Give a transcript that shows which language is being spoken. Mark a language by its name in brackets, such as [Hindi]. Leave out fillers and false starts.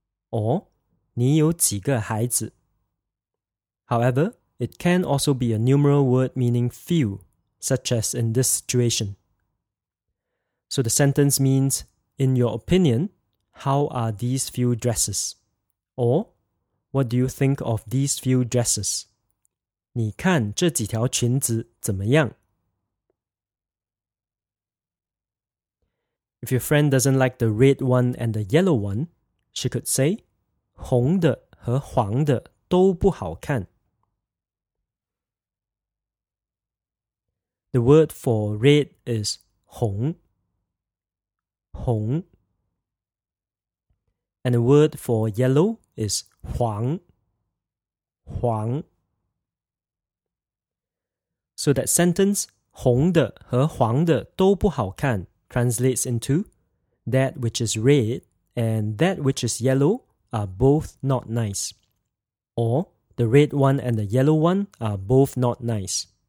[English] Or, [Chinese] 你有几个孩子? [English] However, it can also be a numeral word meaning few, such as in this situation. So the sentence means, in your opinion, how are these few dresses? Or, what do you think of these few dresses? [Chinese] 你看这几条裙子怎么样? [English] If your friend doesn't like the red one and the yellow one, she could say, [Chinese] 红的和黄的都不好看。 [English] The word for red is 红。红 And the word for yellow is 黄 黄 So that sentence [Chinese] 红的和黄的都不好看 [English] translates into That which is red and that which is yellow are both not nice Or the red one and the yellow one are both not nice